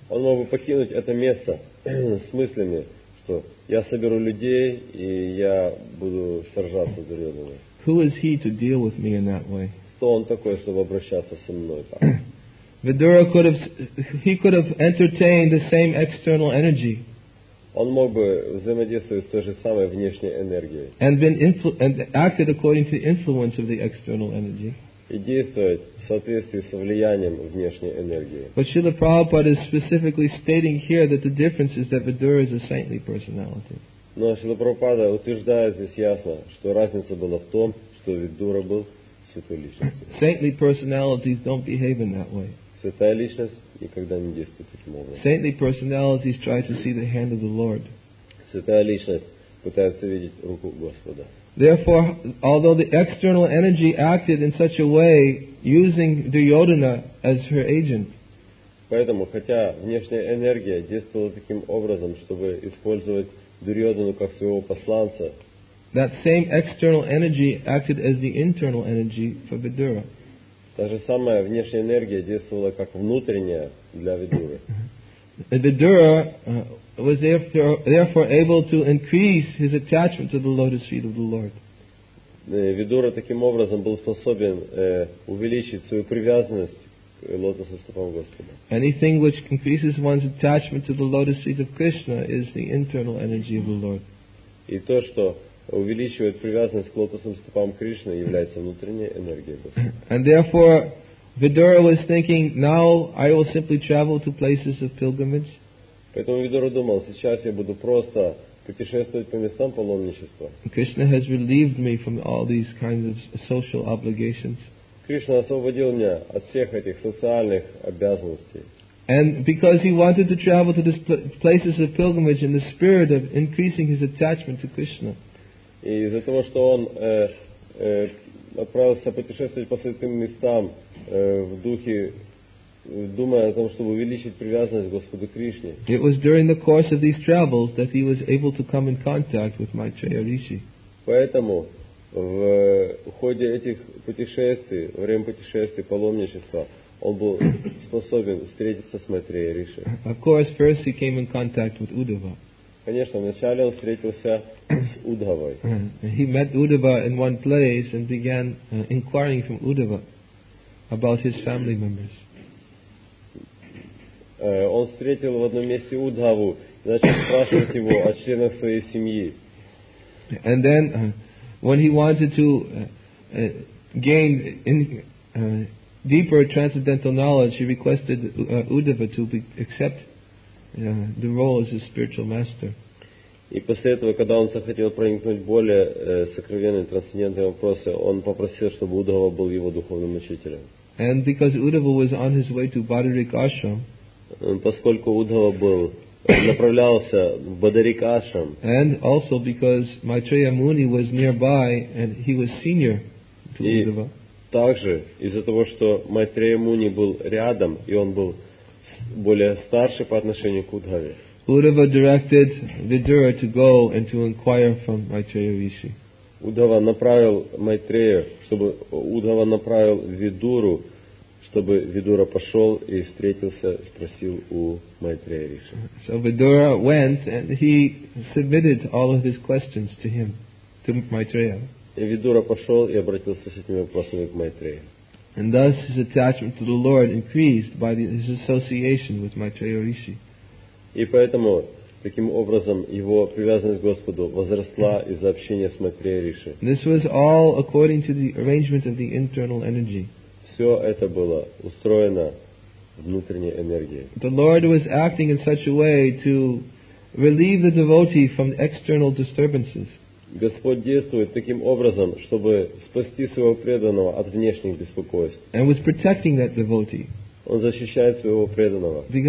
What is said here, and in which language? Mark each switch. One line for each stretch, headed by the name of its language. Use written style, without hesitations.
Russian: Он мог бы покинуть это место с мыслями, что я соберу людей и я буду сражаться с Дурьодханой.
English: Who is he to deal with me in that way?
Russian: Кто он такой, чтобы обращаться со мной так?
English: Vidura could have entertained the same external energy.
Russian: Он мог бы взаимодействовать с той же самой внешней энергией.
English: And acted according to the influence of the external energy.
Russian: И действовать в соответствии со влиянием внешней энергии.
English: But Srila Prabhupada is specifically stating here that the difference is that Vidura is a saintly personality.
Russian: Но Srila Prabhupada утверждает здесь ясно, что разница была в том, что Vidura был святой личностью.
English: Saintly personalities don't behave in that way.
Russian: Святая личность никогда не действует таким образом.
English: Saintly personalities try to see the hand of the Lord.
Russian: Святая личность пытается видеть руку Господа.
English: Therefore, although the external energy acted in such a way, using Duryodhana as her agent,
Russian: поэтому, хотя внешняя энергия действовала таким образом, чтобы использовать Дурьодхану как своего посланца,
English: that same external energy acted as the internal energy for Vidura.
Russian: Та же самая внешняя энергия действовала как внутренняя для Видуры.
English: Vidura was therefore able to increase his attachment to the lotus feet of the Lord.
Russian: Видура таким образом был способен увеличить свою привязанность к лотосным стопам Господа.
English: Anything which increases one's attachment to the lotus feet of Krishna is the internal energy of the Lord.
Russian: И то, что увеличивает привязанность к лотосным стопам Кришны, является внутренней энергией Господа.
English: And therefore, Vidura was thinking, now I will simply travel to places of pilgrimage.
Russian: Поэтому Видура думал, сейчас я буду просто путешествовать по местам паломничества.
English: Krishna has relieved me from all these kinds of social obligations.
Russian: Кришна освободил меня от всех этих социальных обязанностей.
English: And because he wanted to travel to these places of pilgrimage in the spirit of increasing his attachment to Krishna.
Russian: И из-за того, что он отправился путешествовать по святым местам в духе, думая о том, чтобы увеличить привязанность к Господу Кришне.
English: It was during the course of these travels that he was able to come in contact with Maitreya Rishi.
Russian: Поэтому в ходе этих путешествий, во время путешествий, паломничества, он был способен встретиться с Майтрея Риши.
English: Of course, first he came in contact with Uddhava.
Russian: Конечно, вначале он встретился с Удхавой.
English: He met Uddhava in one place and began inquiring from Uddhava about his family members.
Russian: Он встретил в одном месте Удхаву, начал спрашивать его о членах своей семьи.
English: And then, when he wanted to gain deeper transcendental knowledge, he requested Uddhava to accept the role as his spiritual master.
Russian: И после этого, когда он захотел проникнуть в более сокровенные трансцендентные вопросы, он попросил, чтобы Удхава был его духовным учителем.
English: And because Uddhava was on his way to Bhadarik Ashram,
Russian: поскольку Удхава был направлялся в Бадарик Ашрам,
English: and also because Maitreya Muni was nearby and he was senior
Russian: Также из-за того, что Майтрея Муни был рядом, и он был более старше по отношению к Удхаве.
English: Uddhava directed Vidura to go and to inquire from Maitreya Rishi.
Russian: Uddhava направил Майтрея, чтобы Uddhava направил Vidura, чтобы Vidura пошел и встретился, спросил у Майтрея Риши.
English: So Vidura went and he submitted all of his questions to him, to Maitreya.
Russian: И Vidura пошел и обратился с этими вопросами к Майтрею.
English: And thus his attachment to the Lord increased by his association with Maitreya Rishi.
Russian: И поэтому, таким образом, его привязанность к Господу возросла из-за общения с Майтрея Риши.
English: This was all according to the arrangement of the internal energy.
Russian: Все это было устроено внутренней энергией.
English: The Lord was acting in such a way to relieve the devotee from external disturbances.
Russian: Господь действует таким образом, чтобы спасти своего преданного от внешних беспокойств.
English: And was protecting that devotee.
Russian: Он защищает своего преданного.